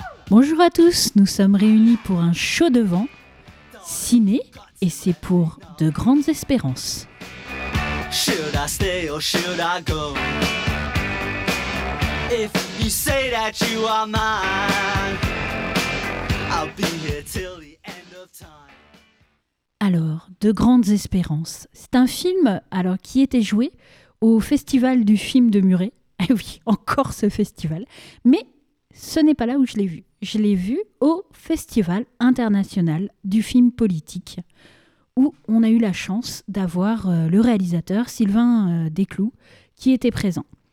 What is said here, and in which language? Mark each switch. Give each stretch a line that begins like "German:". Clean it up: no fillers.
French: Bonjour à tous, nous sommes réunis pour un show devant ciné et c'est pour De Grandes Espérances.
English: Should I stay or should I go? If you say that you are mine, I'll be here till the end of time.
French: Alors, De Grandes Espérances, c'est un film alors qui était joué au festival du film de Muret. Eh oui, encore ce festival, mais ce n'est pas là où je l'ai vu. Je l'ai vu au Festival international du film politique, où on a eu la chance d'avoir le réalisateur Sylvain Descloux qui était présent.